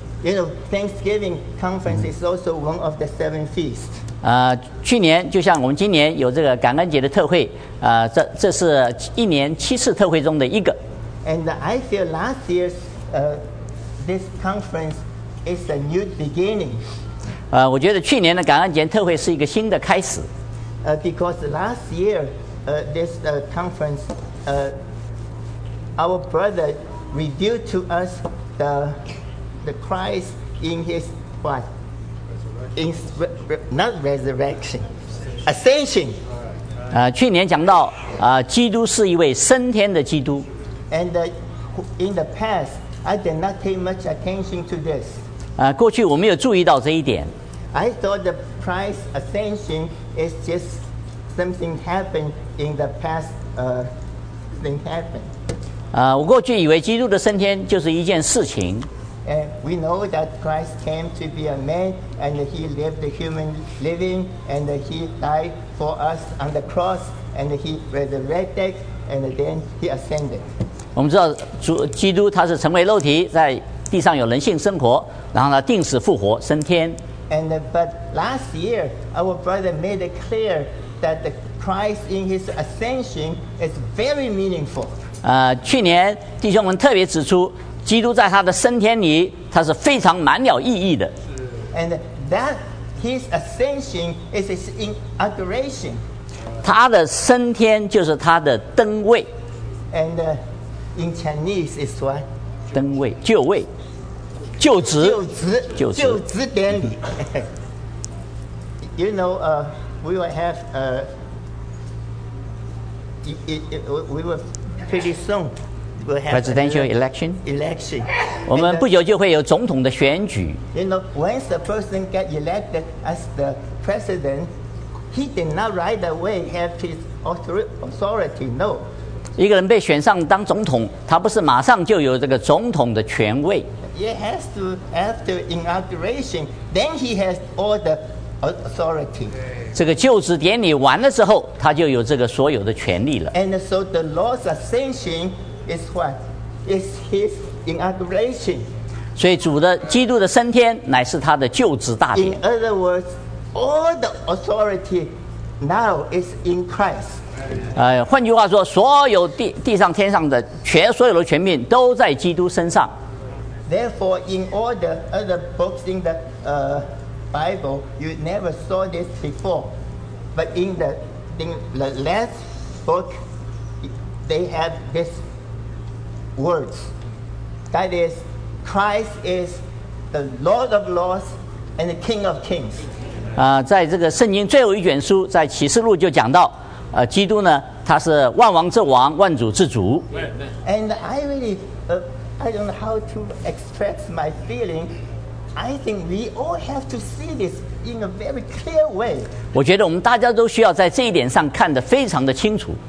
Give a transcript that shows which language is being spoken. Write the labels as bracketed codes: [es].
[en] You know, Thanksgiving conference is also one of the seven feasts. [zh] 去年就像我们今年有这个感恩节的特会，这是一年七次特会中的一个。 [en] And I feel last year's this conference is a new beginning. [zh] 我觉得去年的感恩节特会是一个新的开始。 [en] Because last year, this conference, our brother revealed to us the Christ in his what? Not resurrection, ascension. [zh] 去年讲到基督是一位升天的基督。 [en] And in the past, I did not pay much attention to this. [zh] 过去我没有注意到这一点。 [en] I thought the Christ's ascension is just something happened in the past. Thing happened. [zh] 我过去以为基督的升天就是一件事情。 [en] And we know that Christ came to be a man, and he lived the human living, and he died for us on the cross, and he resurrected, and then he ascended. [zh] 我们知道主基督他是成为肉体，在地上有人性生活，然后呢定死复活升天。 [en] And but last year, our brother made it clear that the Christ in his ascension is very meaningful. [zh] 去年弟兄们特别指出。基督在他的升天里，他是非常满了意义的。 [en] And that his ascension is his inauguration. [zh] 他的升天就是他的登位。 [en] And in Chinese is what? [zh] 登位，就位，就职，就职，就职，就职典礼。 [en] You know, we will have we will pretty soon. Presidential election. Election. [zh] 我们不久就会有总统的选举。 [en] You know, once a person get elected as the president, he did not right away have his authority. No. [zh] 一个人被选上当总统，他不是马上就有这个总统的权位。 [en] He has to after inauguration, then he has all the authority. [zh] 这个就职典礼完了之后，他就有这个所有的权利了。 [en] And so the Lord's ascension. Is what? Is his inauguration? [zh] 所以主的基督的升天乃是他的就职大典。 [en] In other words, all the authority now is in Christ. [zh] 换句话说，所有地上天上的权，所有的权柄都在基督身上。 [en] Therefore, in all the other books in the Bible, you never saw this before. But in the last book, they have this. Words. That is, Christ is the Lord of Lords and the King of Kings. [zh] 在这个圣经最后一卷书，在启示录就讲到，基督呢，他是万王之王，万主之主。 [en] And I really, I don't know how to express my feeling. I think we all have to see this in a very clear way. [zh] 我觉得我们大家都需要在这一点上看得非常的清楚。